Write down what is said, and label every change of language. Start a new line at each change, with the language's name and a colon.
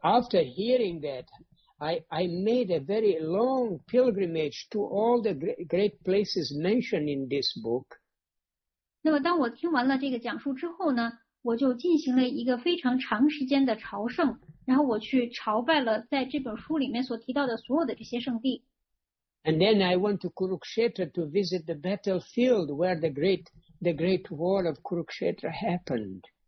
English: after hearing that, I made a very long pilgrimage to all the great places mentioned in this book.
Chinese: 那么当我听完了这个讲述之后呢，我就进行了一个非常长时间的朝圣，然后我去朝拜了在这本书里面所提到的所有的这些圣地。
English: And then I went to Kurukshetra to visit the battlefield where the great war of Kurukshetra happened.